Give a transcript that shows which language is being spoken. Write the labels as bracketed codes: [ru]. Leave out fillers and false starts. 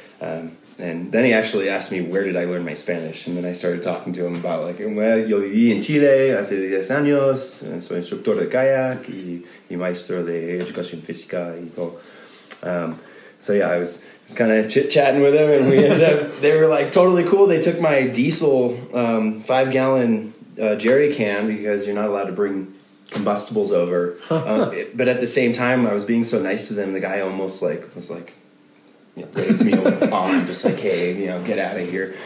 [en] And then he actually asked me, where did I learn my Spanish? And then I started talking to him about, like, well, [es] yo viví en Chile hace 10 años, soy instructor de kayak y maestro de educación física y todo. [en] I was kind of chit-chatting with them, and we ended up, they were like totally cool. They took my diesel 5-gallon jerry can, because you're not allowed to bring combustibles over. But at the same time, I was being so nice to them, the guy almost like was like, waved me on, just like, hey, get out of here.